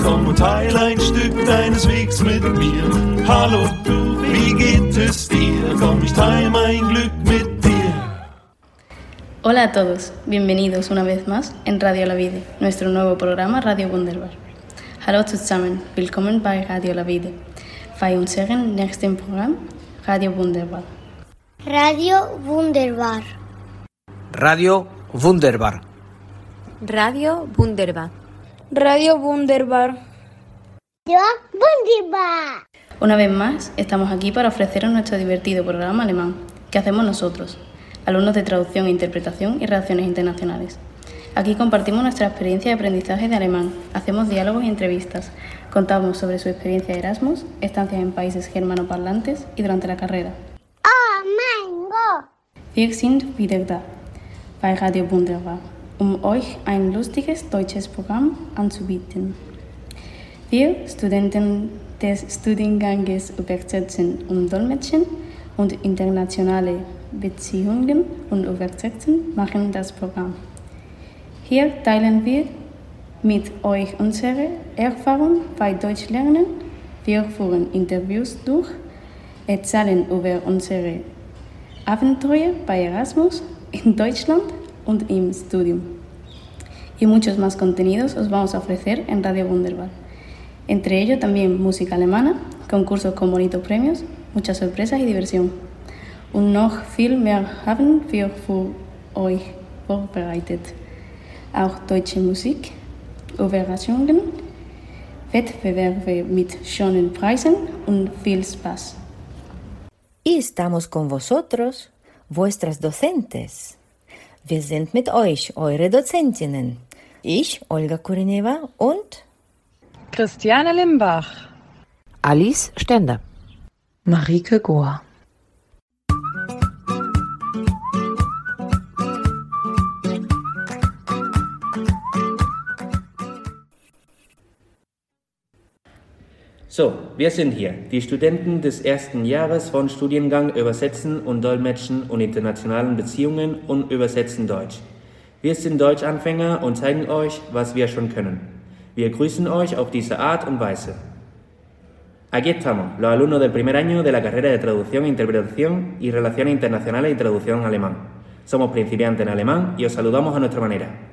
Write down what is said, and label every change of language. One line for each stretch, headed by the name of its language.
German: Komm und teil ein Stück deines Wegs mit mir. Hallo, du, wie geht es dir? Komm, ich teil mein Glück mit dir.
Spanish: Hola a todos, bienvenidos una vez más en Radio La Vida, nuestro nuevo programa Radio Wunderbar.
German: Hallo zusammen, willkommen bei Radio La Vida. Bei unserem nächsten Programm Radio Wunderbar. Radio Wunderbar. Radio Wunderbar. Radio Wunderbar. Radio Wunderbar. Radio Wunderbar.
Spanish: Una vez más, estamos aquí para ofreceros nuestro divertido programa alemán. ¿Qué hacemos nosotros? Alumnos de traducción, interpretación y relaciones internacionales. Aquí compartimos nuestra experiencia de aprendizaje de alemán, hacemos diálogos y entrevistas, contamos sobre su experiencia de Erasmus, estancias en países germanoparlantes y durante la carrera. ¡Oh, Mango!
German: Wir sind wieder da, bei Radio Wunderbar, euch ein lustiges deutsches Programm anzubieten. Wir Studenten des Studienganges Übersetzen und Dolmetschen und internationale Beziehungen und Übersetzen machen das Programm. Hier teilen wir mit euch unsere Erfahrung bei Deutschlernen. Wir führen Interviews durch, erzählen über unsere Abenteuer bei Erasmus in Deutschland und im Studium.
Spanish: Y muchos más contenidos os vamos a ofrecer en Radio Wunderbar. Entre ello también música alemana, concursos con bonitos premios, muchas sorpresas y diversión.
German: Und noch viel mehr haben wir für euch vorbereitet. Auch deutsche Musik, Überraschungen, Wettbewerbe mit schönen Preisen und viel Spaß.
Spanish: Y estamos con vosotros, vuestras docentes.
German: Wir sind mit euch, eure Dozentinnen. Ich, Olga Kurineva und Christiane Limbach, Alice Stender, Marieke Gohr. So, wir sind hier, die Studenten des ersten Jahres von Studiengang Übersetzen und Dolmetschen und internationalen Beziehungen und Übersetzen Deutsch. Wir sind Deutschanfänger und zeigen euch, was wir schon können. Wir grüßen euch auf diese Art und Weise.
Spanish: Aquí estamos, los alumnos del primer año de la carrera de Traducción, Interpretación y Relaciones Internacionales y Traducción en Alemán. Somos principiantes en alemán y os saludamos a nuestra manera.